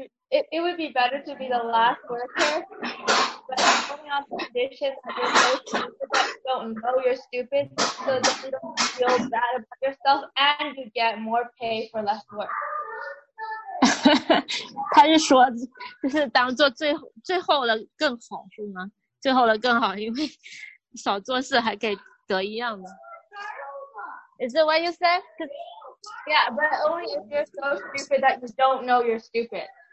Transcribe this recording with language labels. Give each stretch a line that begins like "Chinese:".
English: It would be better to be the last worker, but only on the condition that you're so stupid that you don't know you're stupid, so that you don't feel bad about yourself and you get more pay for less work.
Chinese: 他是说，就是当做最后的更好，是吗？最后的更好，因为少做事还可以得一样的。
English: Is it what you said? Yeah, but only if you're so stupid that you don't know you're stupid.